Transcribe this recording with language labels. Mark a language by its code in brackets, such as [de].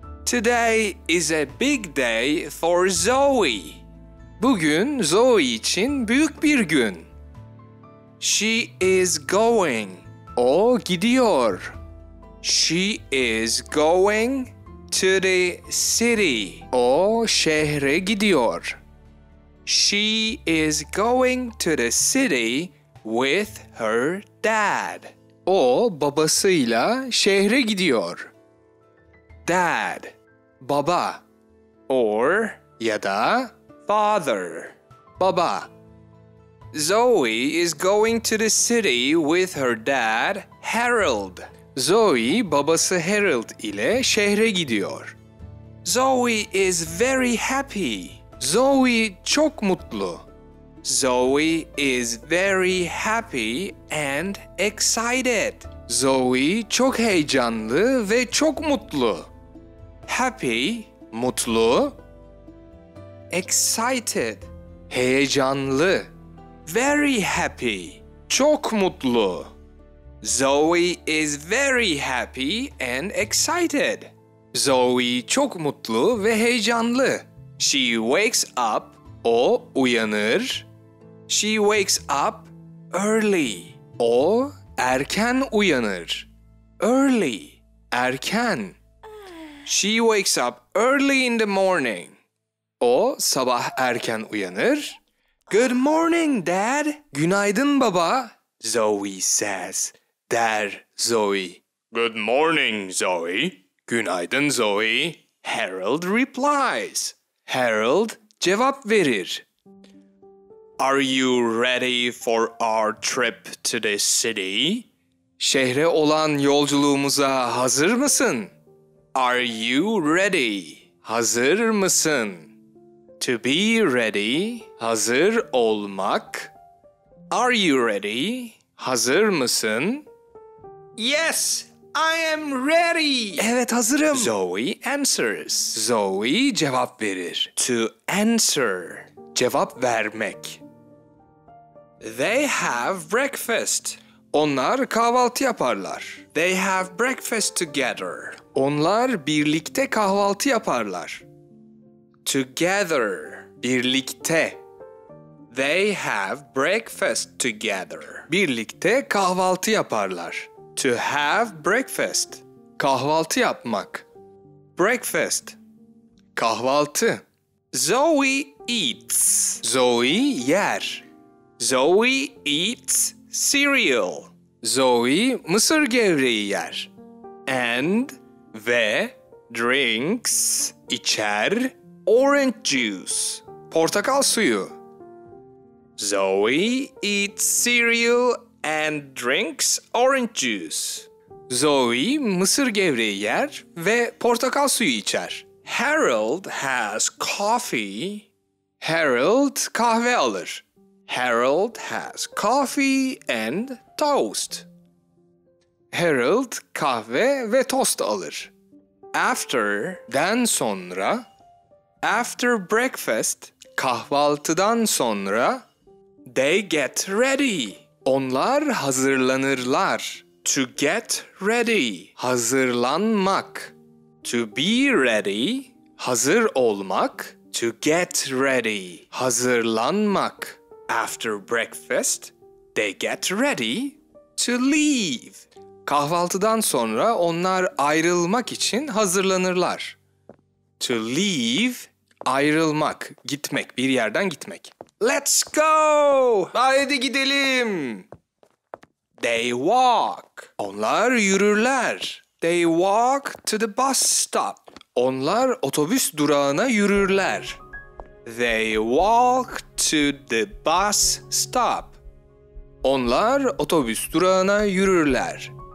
[en] Today is a big day for Zoe. [tr] Bugün Zoe için büyük bir gün. [en] She is going. [tr] O gidiyor. [en] She is going to the city. [tr] O şehre gidiyor. [en] She is going to the city with her dad. [tr] O babasıyla şehre gidiyor. Dad, baba. Or ya da father, baba. [en] Zoe is going to the city with her dad, Harold. [tr] Zoe babası Harold ile şehre gidiyor. [en] Zoe is very happy. [tr] Zoe çok mutlu. [en] Zoe is very happy and excited. [tr] Zoe çok heyecanlı ve çok mutlu. [en] Happy, mutlu. Excited, heyecanlı. Very happy, [tr] çok mutlu. [en] Zoe is very happy and excited. [tr] Zoe çok mutlu ve heyecanlı. [en] She wakes up, [tr] o uyanır. [en] She wakes up early. [tr] O erken uyanır. [en] Early, erken. She wakes up early in the morning. [tr] O sabah erken uyanır. [en] Good morning, Dad. [tr] Günaydın baba, [en] Zoe says. [tr] Der Zoe. [en] Good morning, Zoe. [tr] Günaydın Zoe. [en] Harold replies. [tr] Harold cevap verir. [en] Are you ready for our trip to the city? [tr] Şehre olan yolculuğumuza hazır mısın? [en] Are you ready? [tr] Hazır mısın? [en] To be ready, [tr] hazır olmak. [en] Are you ready? [tr] Hazır mısın? [en] Yes, I am ready. [tr] Evet, hazırım. [en] Zoe answers. [tr] Zoe cevap verir. [en] To answer. [tr] Cevap vermek. [en] They have breakfast. [tr] Onlar kahvaltı yaparlar. [en] They have breakfast together. [tr] Onlar birlikte kahvaltı yaparlar. [en] Together. [tr] Birlikte. [en] They have breakfast together. [tr] Birlikte kahvaltı yaparlar. [en] To have breakfast. [tr] Kahvaltı yapmak. [en] Breakfast. [tr] Kahvaltı. [en] Zoe eats. [tr] Zoe yer. [en] Zoe eats cereal. [tr] Zoe mısır gevreği yer. [en] And ve drinks içer orange juice. [tr] Portakal suyu. [en] Zoe eats cereal and drinks orange juice. [tr] Zoe mısır gevreği yer ve portakal suyu içer. [en] Harold has coffee. [tr] Harold kahve alır. [en] Harold has coffee and toast. [tr] Harold kahve ve tost alır. After'dan sonra, [en] after breakfast, [tr] kahvaltıdan sonra, [en] they get ready. [tr] Onlar hazırlanırlar. [en] To get ready. [tr] Hazırlanmak. [en] To be ready. [tr] Hazır olmak. [en] To get ready. [tr] Hazırlanmak. [en] After breakfast, they get ready to leave. [tr] Kahvaltıdan sonra onlar ayrılmak için hazırlanırlar. [en] To leave, [tr] ayrılmak, gitmek, bir yerden gitmek. [en] Let's go! [tr] Haydi gidelim! [en] They walk. [tr] Onlar yürürler. [en] They walk to the bus stop. [tr] Onlar otobüs durağına yürürler. [en] They walk to the bus stop. [tr] Onlar otobüs durağına yürürler.